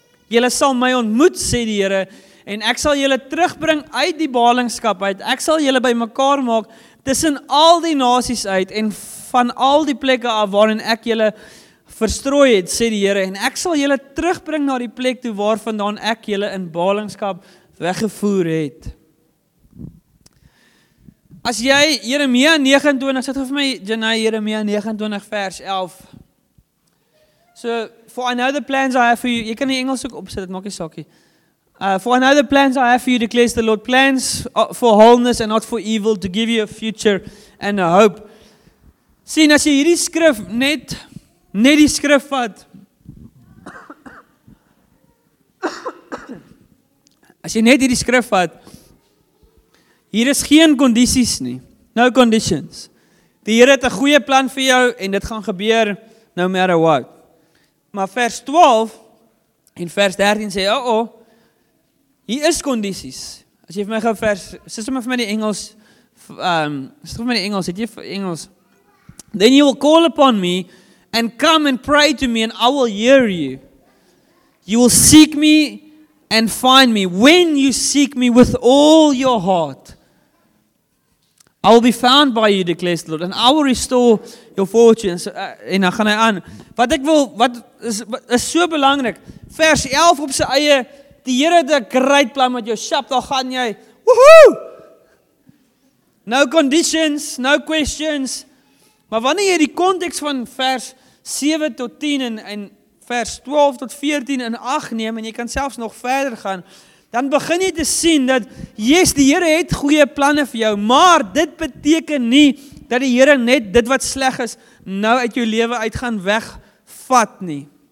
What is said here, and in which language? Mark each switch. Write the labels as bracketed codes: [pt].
[af] Julle sal my ontmoet, sê die Here, en ek sal julle terugbring uit die ballingskap uit, ek sal julle by mekaar maak, tussen al die nasies uit, en van al die plekke af waarin ek julle verstrooi het, sê die Here, en ek sal julle terugbring na die plek toe waarvandaan ek julle in ballingskap weggevoer het. As jy Jeremia 29, sit vir my, Janai, Jeremia 29 vers 11. [en] So, for I know the plans I have for you, [af] jy kan die Engels ook opsit, het maak jy sakkie. [en] For I know the plans I have for you, declares the Lord, plans for wholeness and not for evil, to give you a future and a hope. [af] Sien, as jy hierdie skrif net die skrif wat, as jy net hierdie skrif wat, hier is geen condities nie, [en] no conditions, [af] die Here het 'n goeie plan vir jou, en dit gaan gebeur, [en] no matter what, [af] maar vers 12, en vers 13 sê, oh, hier is condities, as jy vir my gaan vers, sê vir my die Engels, het jy vir Engels, [en] then you will call upon me, and come and pray to me, and I will hear you. You will seek me and find me. When you seek me with all your heart, I will be found by you, declares the Lord, and I will restore your fortunes. [af] En dan gaan hy aan. Wat is so belangrik, vers 11 op sy eie, die Here het 'n great plan met jou, sjap, daar gaan jy, woohoo! [en] No conditions, no questions, [af] maar wanneer jy die context van vers 7 tot 10 en vers 12 tot 14 in 8 neem, en jy kan selfs nog verder gaan, dan begin jy te sien dat, yes, die Here het goeie planne vir jou, maar dit beteken nie, dat die Here net dit wat sleg is, nou uit jou lewe uit gaan wegvat nie.